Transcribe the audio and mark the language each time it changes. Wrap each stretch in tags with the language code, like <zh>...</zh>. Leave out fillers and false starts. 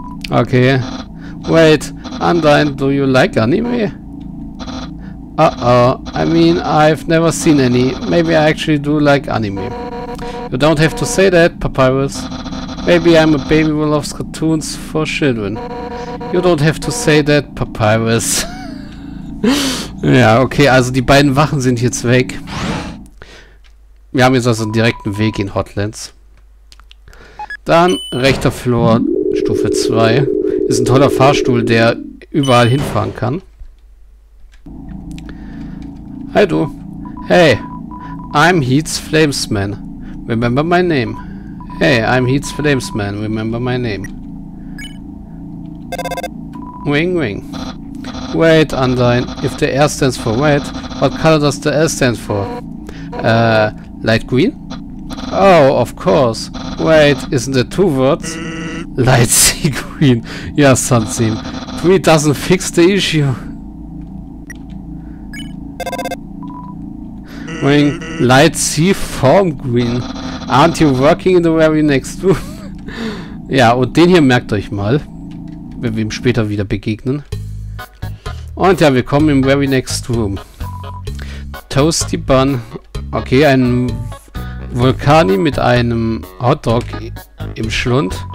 <en>Okay. Wait, Andrei, do you like anime? I mean, I've never seen any. Maybe I actually do like anime. You don't have to say that, Papyrus. Maybe I'm a baby who loves cartoons for children. You don't have to say that, Papyrus.</en> <de>Ja, okay, also die beiden Wachen sind jetzt weg. Wir haben jetzt also einen direkten Weg in Hotlands. Dann rechter Floor, Stufe 2. Ist ein toller Fahrstuhl, der überall hinfahren kann. Hi du.</de> <en>Hey, I'm Heat's Flamesman. Remember my name. Hey, I'm Heat's Flamesman. Remember my name. Wing wing. Wait, Andrei. If the R stands for red, what color does the L stand for? Light green? Oh, of course. Wait, isn't there two words? Light sea green. Yes, Sunseam. Three doesn't fix the issue. Wing, light sea form green. Aren't you working in the very next room?</en> <de>Ja, und den hier merkt euch mal, wenn wir ihm später wieder begegnen. Und ja, wir kommen im</de> <en>very next room.</en> <de>Toasty Bun. Okay, ein Vulkani mit einem Hotdog im Schlund.</de>